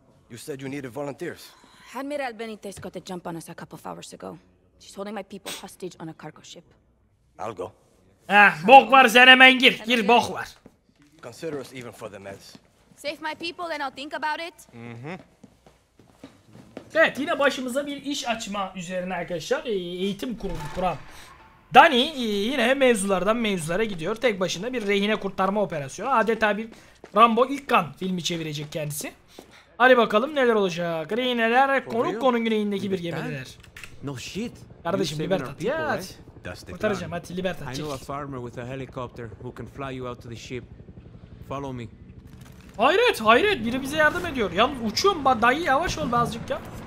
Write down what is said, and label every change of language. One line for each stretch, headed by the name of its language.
English: You said you needed volunteers. Admiral Benitez got the jump on us a couple of hours ago. She's holding my people hostage on a cargo ship. I'll go.
Turkish: Ah, bok var sen hemen gir. Gir bok var.
English: Consider us even for the meds. Save my people and I'll think about it. Mm-hmm.
Turkish: Evet yine başımıza bir iş açma üzerine arkadaşlar. Eğitim kurulu kuran. Dani yine mevzulardan mevzulara gidiyor. Tek başına bir rehine kurtarma operasyonu. Adeta bir Rambo ilk kan filmi çevirecek kendisi. Hadi bakalım neler olacak. Rehineler konuk konun güneyindeki bir gemideler.
English: No shit.
Turkish: Kardeşim Libertad. Ya hadi. Kurtaracağım hadi Libertad.
English: I know a farmer with a helicopter who can fly you out to the ship. Follow me.
Turkish: Hayret hayret, biri bize yardım ediyor. Yalnız uçuyorum ben, dayı yavaş ol birazcık ya.